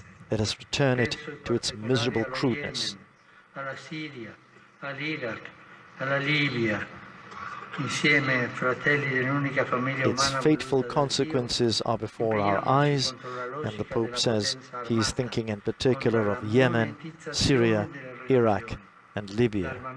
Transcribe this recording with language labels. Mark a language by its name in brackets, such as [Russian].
[English] Let us return it to its miserable crudeness. [Italian] Alla Siria, all'Iraq, alla Libia, insieme fratelli dell'unica famiglia umana. [English] Its fateful consequences are before our eyes, and the Pope says he is thinking in particular of Yemen, Syria, Iraq, and Libya.